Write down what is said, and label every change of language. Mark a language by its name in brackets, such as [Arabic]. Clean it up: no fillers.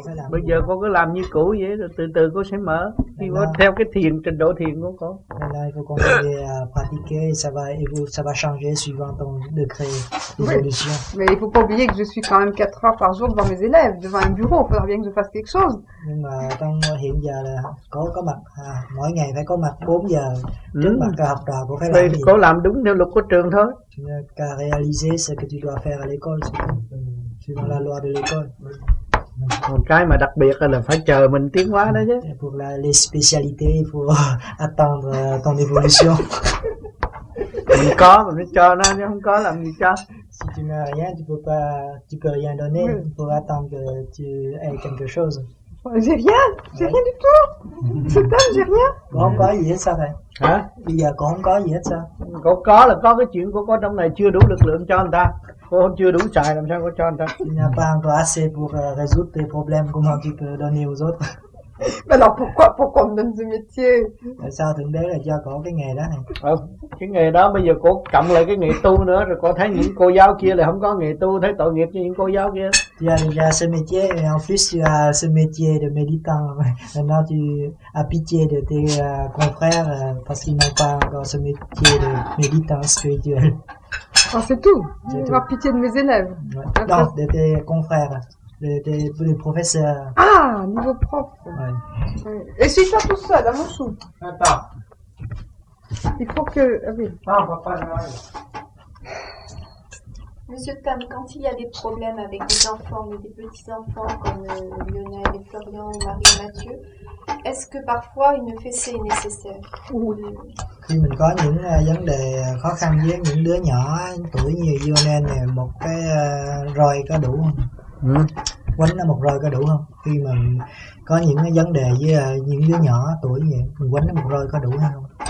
[Vietnamese] Bây giờ con cứ làm như cũ vậy, rồi từ từ con sẽ mở. Khi con theo cái thiền, trình độ thiền của con. [French] Mais là, il faut continuer à pratiquer, ça va changer suivant ton degré d'évolution. Mais il faut pas oublier que je suis quand même 4 heures par jour devant mes élèves, devant un bureau, il faudra bien que je fasse quelque chose. [Vietnamese] Nhưng mà trong hiện giờ là có mặt, mỗi ngày phải có mặt 4 giờ, trước mặt học trò cũng phải làm gì. Cô làm đúng theo luật của trường thôi. [French] Qu'à réaliser ce que tu dois faire à l'école, suivant la loi de l'école. [Vietnamese] Một cái mà đặc biệt là phải chờ mình tiến hóa đó chứ. [French] Pour la, les spécialités, il faut attendre ton évolution. [Vietnamese] Mình có mà mình cho nó, chứ không có làm gì cho. [French] Si tu n'as rien, tu peux rien donner. Il faut attendre que tu aies quelque chose. J'ai rien du tout. C'est dingue, j'ai rien. [Vietnamese] Con có gì hết sao vậy? Hả? Bây giờ con không có gì hết sao? Con có là có cái chuyện của con trong này chưa đủ lực lượng cho người ta. Cô không chưa đủ xài làm sao có cho anh ta. [French] Il n'y a pas encore assez pour résoudre tes problèmes, comment tu peux donner aux autres. Mais alors pourquoi on me donne ce métier? [Vietnamese] Tại sao thượng đế lại cho cô cái nghề đó này? Cái nghề đó bây giờ cô cộng lại cái nghề tu nữa, rồi cô thấy những cô giáo kia lại không có nghề tu, thấy tội nghiệp cho những cô giáo kia. [French] Tu as déjà ce métier, et en plus tu as ce métier de méditant. Maintenant tu as pitié de tes confrères parce qu'ils n'ont pas encore ce métier de méditant spirituel. Oh, c'est tout. Tu vas pitié de mes élèves. Ouais. Non, de tes confrères, de professeurs. Ah, nouveau prof. Ouais. Et si tu as tout seul, à mon sou. Attends. Il faut que. Ah oui. Non, papa, non. Monsieur Tam, quand il y a des problèmes avec des enfants ou des petits-enfants comme Lionel et Florian ou Marie et Mathieu, est-ce que parfois une fessée est nécessaire? [Vietnamese] Khi mình có những vấn đề khó khăn với những đứa nhỏ tuổi như Lionel này, một cái roi có đủ không? Quánh nó một roi có đủ không? Khi mà có những cái vấn đề với những đứa nhỏ tuổi vậy, mình quánh nó một roi có đủ hay không?